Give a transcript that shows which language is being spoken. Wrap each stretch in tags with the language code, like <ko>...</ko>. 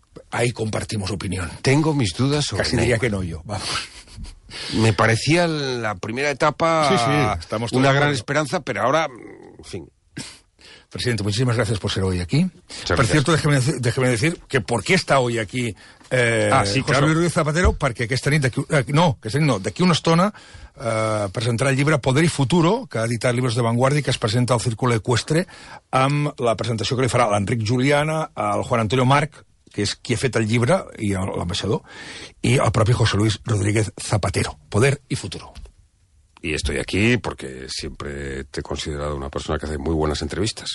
<es>Ahí compartimos opinión. Tengo mis dudas sobre Casi Neymar. Diría que no yo, vamos. Me parecía la primera etapa una gran esperanza, pero ahora, en fin. Presidente, muchísimas gracias por ser hoy aquí. Por cierto, déjeme decir que por qué está hoy aquí José</es> <ca>Luis Ruiz Zapatero, perquè aquesta nit, d'aquí una estona, presentarà el llibre Poder i Futuro, que ha editat Llibres de Vanguardia i que es presenta al Círculo Ecuestre, amb la presentació que li farà l'Enric Juliana, el Juan Antonio Marc, que és qui ha fet el llibre, i l'ambaixador, i el propi José Luis Rodríguez Zapatero, Poder y Futuro.</ca> <es>Y estoy aquí porque siempre te he considerado una persona que hace muy buenas entrevistas.</es>